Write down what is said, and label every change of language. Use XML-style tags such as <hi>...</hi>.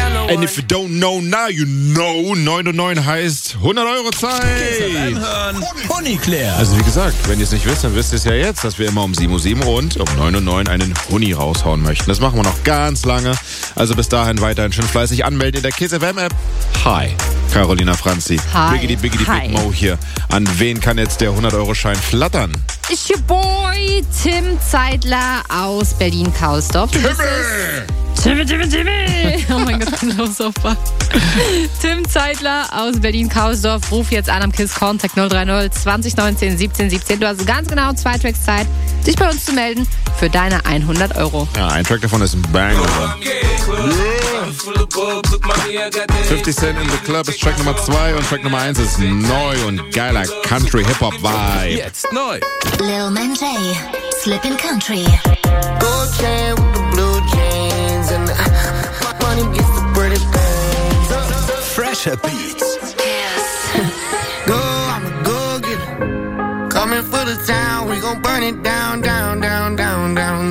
<en>and if you don't know, now you know.</en> <de>99 heißt 100 Euro Zeit. Also wie gesagt, wenn ihr es nicht wisst, dann wisst ihr es ja jetzt, dass wir immer um 7 Uhr 7 und um 9 Uhr 9 einen Huni raushauen möchten. Das machen wir noch ganz lange. Also bis dahin weiterhin schön fleißig anmelden in der Kiss FM App. Hi, Carolina Franzi. Hi. Biggity, biggity, hi. Big Mo hier. An wen kann jetzt der 100-Euro-Schein flattern?</de> <en>It's your boy Tim Zeidler aus Berlin-Karlsdorf. Timmy! Jimmy.</en> <de>Oh mein Gott, ich bin so fuck. Tim Zeidler aus Berlin-Kausdorf, ruf jetzt an am KISS Contact 030 2019 1717. Du hast ganz genau 2 Tracks Zeit, dich bei uns zu melden für deine 100 Euro. Ja, ein Track davon ist ein Banger. Yeah. 50 Cent in the Club ist Track Nummer 2 und Track Nummer 1 ist neu und geiler Country-Hip-Hop-Vibe. Jetzt neu.</de> <en>Lil Man J, Slippin' Country. Gold chain with the blue jeans and the money gets the British things. Fresher beats. Yes. Go, I'm a go-getter. Coming for the town, we gon' burn it down, down, down, down, down.</en>